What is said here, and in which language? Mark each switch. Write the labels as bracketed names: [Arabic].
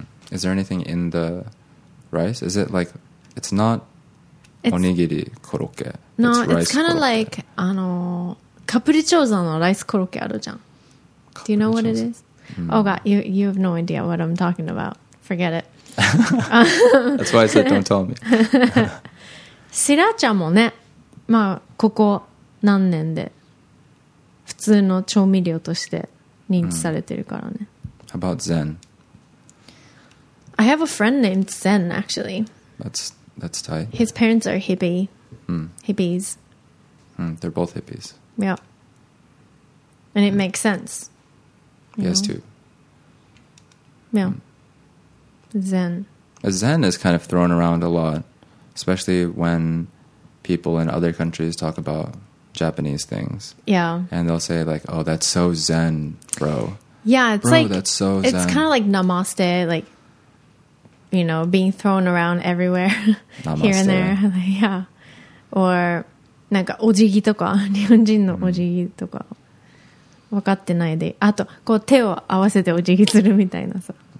[English] Is there anything in the rice? Is it like, it's not [Japanese] おにぎりコロッケ [English] No, it's kind of like, [Japanese] カプリチョーザのライスコロッケあるじゃん。 [English] Do you know what it is?、Oh God, you have no idea what I'm talking about. Forget it. That's why I said don't tell me. [Japanese] シラーチャーもね、まあここ何年で普通の調味料として認知されてるからね。 [English] How about Zen? I have a friend named Zen actually. That's Thai. His parents are hippie. Hippies. They're both hippies. Yeah. And it makes sense. He has two. Yeah. Zen. Zen is kind of thrown around a lot, especially when people in other countries talk about Japanese things. Yeah. And they'll say like, oh, that's so Zen, bro. Yeah, it's bro, like, that's so Zen. It's kind of like namaste, like, you know, being thrown around everywhere, here and there. Yeah. [Japanese] Or, なんかお辞儀とか、日本人のお辞儀とか、分かってないで、あと、こう手を合わせてお辞儀するみたいなさ。